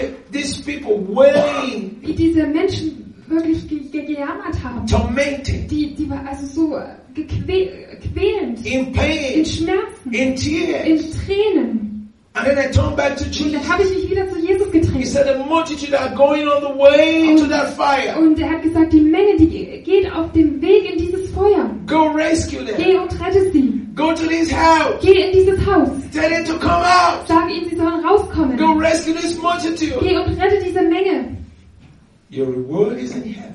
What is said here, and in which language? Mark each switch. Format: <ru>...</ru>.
<en>these people wailing,</en> <de>wie diese Menschen wirklich gejammert haben,</de> <en>tormented,</en> <de>die war also so quälend,</de> <en>in pain,</en> <de>in Schmerzen,</de> <en>in tears,</en> <de>in Tränen.</de> <en>And then I turned back to Jesus.</en> <de>Und dann habe ich mich wieder zu Jesus gedreht.</de> <en>He said, the multitude are going on the way into that fire.</en> <de>Und er hat gesagt, die Menge, die geht auf dem Weg in dieses Feuer.</de> <en>Go rescue them.</en> <de>Geh und rette sie.</de> <en>Go to this house.</en> <de>Geh in dieses Haus.</de> <en>Tell them to come out.</en> <de>Sag ihnen, sie sollen rauskommen.</de> <en>Go rescue this multitude.</en> <de>Geh und rette diese Menge.</de> <en>Your reward is in heaven.</en>